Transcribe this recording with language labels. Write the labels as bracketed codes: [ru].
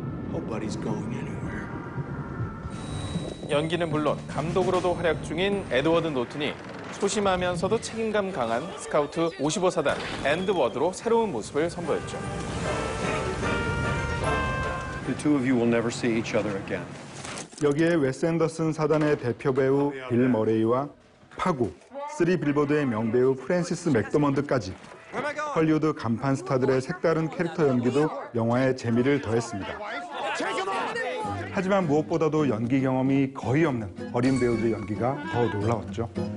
[en] Nobody's going anywhere. [ko] 연기는 물론 감독으로도 활약 중인 에드워드 노튼이 소심하면서도 책임감 강한 스카우트 55사단 앤드워드로 새로운 모습을 선보였죠. [en] The two of you will never see each other again. [ko] 여기에 웨스 앤더슨 사단의 대표 배우 빌 머레이와 파고, 쓰리 빌보드의 명배우 프랜시스 맥도먼드까지 헐리우드 간판 스타들의 색다른 캐릭터 연기도 영화의 재미를 더했습니다. 하지만 무엇보다도 연기 경험이 거의 없는 어린 배우들의 연기가 더 놀라웠죠.